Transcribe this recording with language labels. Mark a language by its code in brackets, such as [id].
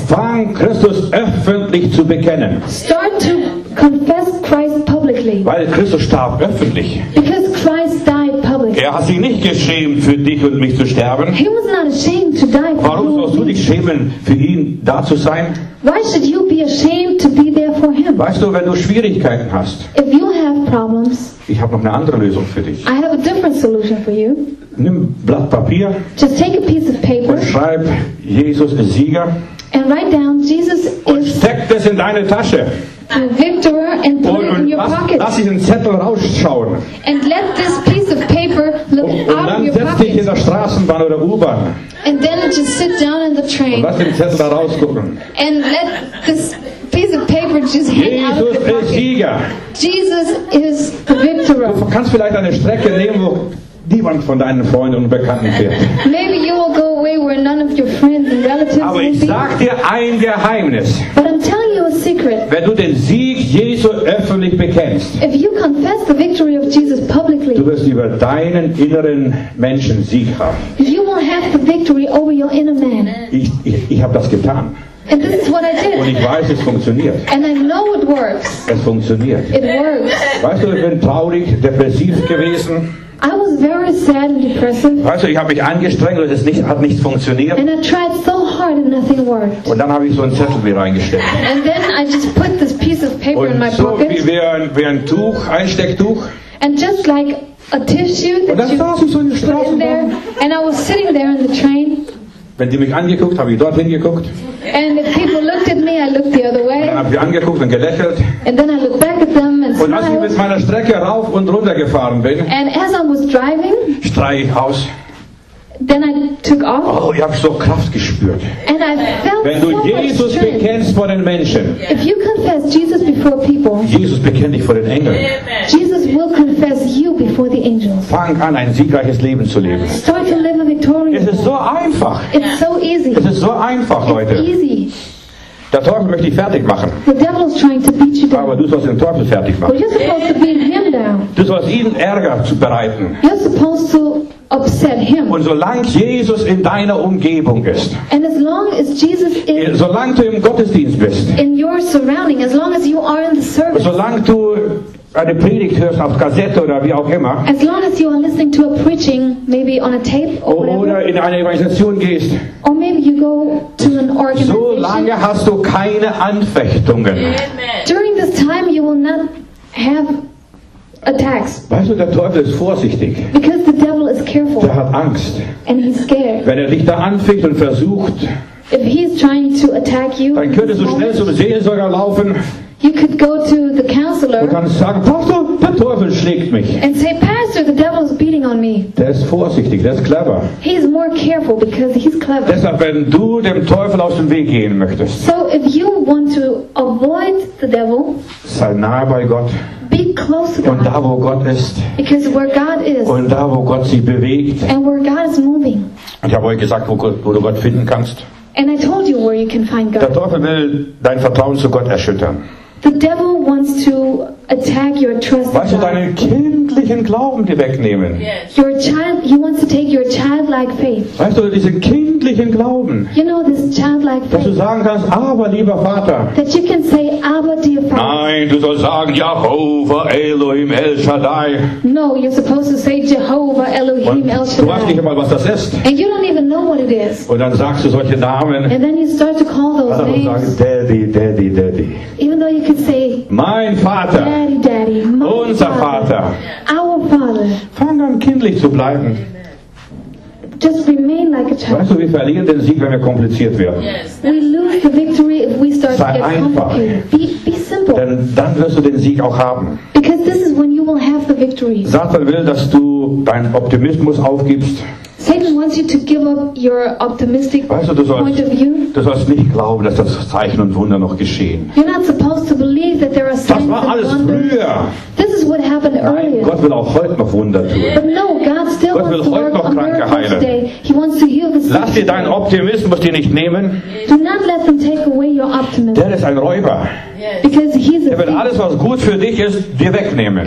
[de] Fang Christus öffentlich zu bekennen. [en] Start to confess Christ publicly. [de] Weil Christus starb öffentlich. [en] Because Christ died publicly. [de] Er hat sich nicht geschämt für dich und mich zu sterben. [en] He was not ashamed to die for [de] warum sollst du dich schämen für ihn da zu sein? [en] Why should you be ashamed to be there for him? [de] Weißt du, wenn du Schwierigkeiten hast. [en] If you have problems. [de] Ich habe noch eine andere Lösung für dich. [en] I have a different solution for you. [de] Nimm Blatt Papier. [en] Just take a piece of paper. [de] Und schreib Jesus ist Sieger. [en] And write down Jesus [de] und [en] is. [de] Und steck das in deine Tasche. [en] A victor and put [de] und [en] it in your [de] lass, [en] pocket. [de] Lass ihn einen Zettel rausschauen. [en] And let this piece of paper look out of your pocket. [de] Und dann setz dich in der Straßenbahn oder U-Bahn. [en] And then just sit down in the train. [de] Und lass den Zettel da rausgucken. [en] And let this piece of paper just hang [de] Jesus [en] out of your pocket. [de] Jesus ist Sieger. [en] Jesus is the victor. [de] Du kannst vielleicht eine Strecke nehmen, wo niemand von deinen Freunden und Bekannten fährt. [en] Maybe you will go away where none of your friends and relatives [de] aber [en] will be. [de] Aber ich sag dir ein Geheimnis. [en] But I'm telling you a secret. [de] Wenn du den Sieg Jesu öffentlich bekennst, [en] if you confess the victory of Jesus publicly, [de] du wirst über deinen inneren Menschen Sieg haben. [en] You will have the victory over your inner man. [de] Ich habe das getan. [en] And this is what I did. [de] Und ich weiß, es funktioniert. [en] And I know it works. [de] Es funktioniert. [en] It works. [de] Weißt du, ich bin traurig, depressiv gewesen. [en] I was very sad and depressive. [de] Weißt du, ich habe mich angestrengt und es hat nichts funktioniert. [en] And I tried so hard and nothing worked. [de] Und dann habe ich so einen Zettel wieder reingesteckt. [en] And then I just put this piece of paper [de] und [en] in my [de] so [en] pocket. [de] Und so wie ein Tuch, Einstecktuch. [en] And just like a tissue that [de] und dann [en] you [de] so in der Straße [en] put in there. And I was sitting there in the train. [de] Wenn die mich angeguckt, habe ich dorthin geguckt. [en] And if people looked at me, I looked the other way. [de] Und dann habe ich angeguckt und gelächelt. [en] And then I looked back at them and [de] und als ich mit meiner Strecke rauf und runter gefahren bin, [en] and as I was driving, [de] streich ich aus. [en] Then I took off. [de] Oh, ich habe so Kraft gespürt. [en] And I felt [de] wenn du [en] so [de] Jesus [en] much [de] bekennst vor den Menschen, [en] if you confess Jesus before people, [de] Jesus bekennt dich vor den Engeln. [en] Amen. Jesus will confess you before the angels. [de] Fang an, ein siegreiches Leben zu leben. [en] Start to live a victorious life. [de] Es ist so einfach. [en] It's so easy. [de] Es ist so einfach, Leute. [en] It's easy. [de] Der Teufel möchte dich fertig machen. [en] The devil is trying to beat you down. [de] Aber du sollst den Teufel fertig machen. [en] But you're supposed to beat him down. [de] Du sollst ihn Ärger zu bereiten. [en] You're supposed to upset him. [de] Und solange Jesus in deiner Umgebung ist, [en] and as long as Jesus is, [de] solange du im Gottesdienst bist, [en] in your surrounding, as long as you are in the service, [de] solange du eine Predigt hörst auf Kassette oder wie auch immer, [en] as long as you are listening to a preaching, maybe on a tape or whatever, [de] oder in eine Evangelisation gehst, [en] or maybe you go to an organization, [de] so lange hast du keine Anfechtungen. [en] Amen. During this time you will not have attacks. [de] Weißt du, der Teufel ist vorsichtig. [en] Because the devil is careful. [de] Er hat Angst. [en] And he's scared. [de] Wenn er dich da anficht und versucht, [en] if he's trying to attack you, [de] dann könnte so schnell zum Seelsorger laufen. [en] You could go to the counselor [de] und kann sagen, Pastor, der Teufel schlägt mich. [en] And say, Pastor, the devil is beating on me. [de] Der ist vorsichtig, der ist clever. [en] He's more careful because he's clever. [de] Deshalb, wenn du dem Teufel aus dem Weg gehen möchtest, [en] so if you want to avoid the devil, [de] sei nahe bei Gott. [en] Be close to God. [de] Und da, wo Gott ist, [en] because where God is, [de] und da, wo Gott sich bewegt, [en] and where God is moving. [de] Ich habe euch gesagt, wo du Gott finden kannst. [en] And I told you where you can find God. [de] Der Teufel will dein Vertrauen zu Gott erschüttern. [en] The devil wants to attack your trust in God. [de] Weißt du, deinen kindlichen Glauben dir wegnehmen. [en] Yes. Your child, he wants to take your childlike faith. [de] Weißt du, diesen kindlichen Glauben. [en] You know, this childlike faith. [de] Dass du sagen kannst, aber lieber Vater. [en] That you can say, [de] aber [en] dear Father. [de] Nein, du sollst sagen, Jehovah Elohim El Shaddai. [en] No, you're supposed to say, Jehovah Elohim [de] und [en] El Shaddai. [de] Du weißt nicht einmal, was das ist. [en] And you don't even know what it is. [de] Und dann sagst du solche Namen. [en] And then you start to call those [de] Vater, [en] names. [de] Sagst, Daddy, Daddy, Daddy. [en] Even though you can say, [de] mein Vater. [en] Daddy, Daddy, [de] unser Vater. [en] Our Father. [de] Fang an, kindlich zu bleiben. [en] Just remain like a child. [de] Weißt du, wir verlieren den Sieg, wenn wir kompliziert werden. [en] Yes. We lose the victory if we start [de] sei [en] to get [de] einfach. [en] Complicated. Be simple. [de] Denn dann wirst du den Sieg auch haben. [en] Because this is when you will have the victory. [de] Satan will, dass du deinen Optimismus aufgibst. [en] Satan wants you to give up your optimistic, [de] weißt du, sollst, [en] point of view. [de] Du sollst nicht glauben, dass das Zeichen und Wunder noch geschehen. [en] You're not supposed to believe that there are signs and wonders. [de] Das war alles früher. [en] This is what happened earlier. [de] Nein, Gott will auch heute noch Wunder tun. [en] But no, God still [de] Gott will heute [en] to [de] noch Kranke heilen. [en] Today. He wants to heal the sick. [de] Lass dir deinen Optimismus dir nicht nehmen. [en] Do not let them take away your optimism. [de] Der ist ein Räuber. [en] Yes. Because he's a thief. [de] Er will alles, was gut für dich ist, dir wegnehmen.